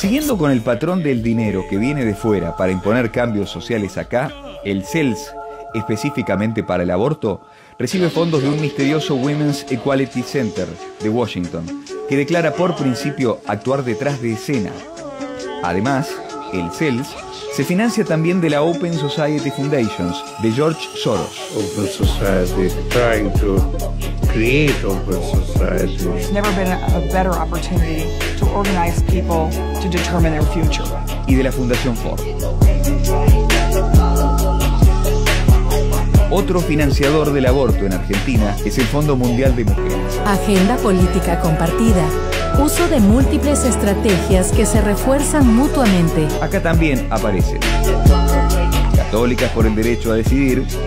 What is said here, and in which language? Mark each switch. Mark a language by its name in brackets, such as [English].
[Spanish] Siguiendo con el patrón del dinero que viene de fuera para imponer cambios sociales acá, el CELS, específicamente para el aborto, recibe fondos de un misterioso Women's Equality Center de Washington, que declara por principio actuar detrás de escena. Además, el CELS se financia también de la Open Society Foundations de George Soros. [English] Open Society, trying to create open society. There's never been a better opportunity to organize people to determine their future. [Spanish] Y de la Fundación Ford. Otro financiador del aborto en Argentina es el Fondo Mundial de Mujeres. Agenda política compartida. Uso de múltiples estrategias que se refuerzan mutuamente. Acá también aparecen. Católicas por el derecho a decidir.